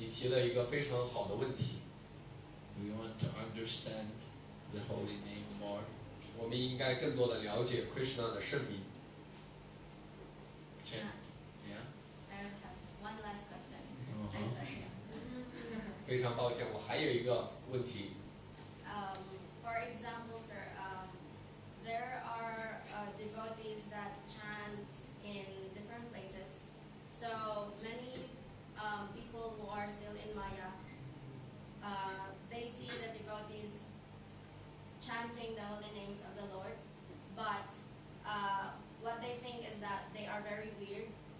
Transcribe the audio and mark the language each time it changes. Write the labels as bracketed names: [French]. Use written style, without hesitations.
[Chinese] 你提了一个非常好的问题。 [English] We want to understand the holy name more. [Chinese] 我们应该更多的了解 Krishna 的圣名。 [English] chant. Yeah. I have one last question. I'm sorry. [Chinese] 非常抱歉，我还有一个问题。 [English] For example, sir, there are devotees that chant in different places. So many people who are still in Maya, they see the devotees chanting the holy names of the Lord, but what they think is that they are very weird.